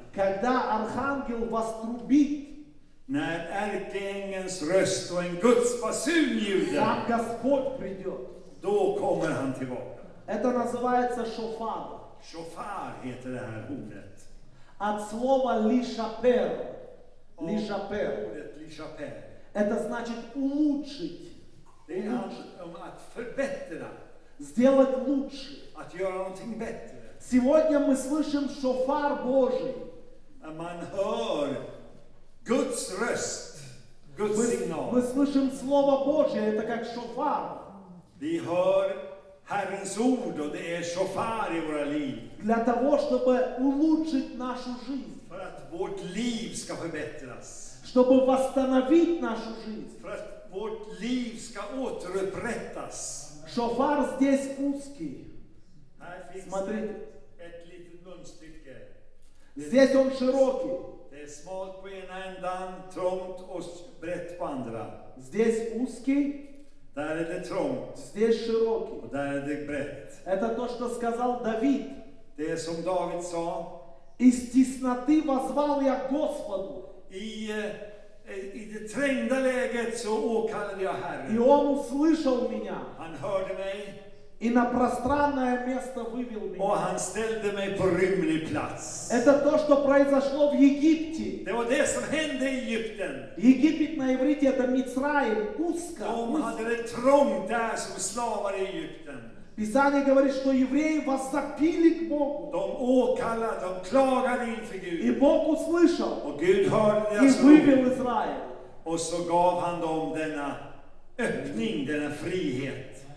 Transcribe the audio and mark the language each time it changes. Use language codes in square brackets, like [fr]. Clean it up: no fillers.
[ru] Когда архангел вострубит. [sv] När ärkeängens röst och en Guds basun ljuder, då kommer han tillbaka. [ru] Это называется шофар. [sv] Шофар heter det här ordet. [ru] От слова лишапер. Лишапер. [sv] Ordet лишапер. [ru] Это значит улучшить. [sv] Det är att förbättra. [ru] Сделать лучше. [sv] Att göra någonting bättre. [ru] Сегодня мы слышим шофар Божий. [sv] Man hör Guds röst, Guds signal. [ru] Мы слышим слово Божье, это как шофар. [sv] Vi hör Herrens ord och det är шофар i våra liv. [ru] Для того, чтобы улучшить нашу жизнь. [sv] För att vårt liv ska förbättras. [ru] Чтобы восстановить нашу жизнь. [sv] För att vårt liv ska återupprättas. [ru] Шофар здесь узкий. [sv] Här finns [ru] смотрите. [sv] Ett litet munstycke. [ru] Здесь он широкий. [sv] Det är smalt på ena ändan, trångt och brett på andra. [ru] Здесь узкий. [sv] Där är det trångt. [ru] Здесь широкий. [sv] Och där är det brett. [ru] Это то, что сказал Давид. [sv] Det är som David sa. [ru] Из тесноты возвал я Господу. [sv] I i det trängda läget så åkallade jag Herren. [ru] И он услышал меня. [sv] Han hörde mig. [ru] И на пространное место вывел меня. [sv] Och han ställde mig på rymlig plats. [ru] Это то, что произошло в Египте. [sv] Det var det som hände i Egypten. [ru] Египет на иврите это Мицраим, узко. [sv] De hade det trångt där som slavar i Egypten. [ru] Писание говорит, что евреи возопили к Богу. [sv] De åkallade, de klagade inför Gud. [ru] И Бог услышал. [sv] Och Gud hörde deras rop. [ru] И вывел Израиль. [sv] Och så gav han dem denna öppning, denna frihet.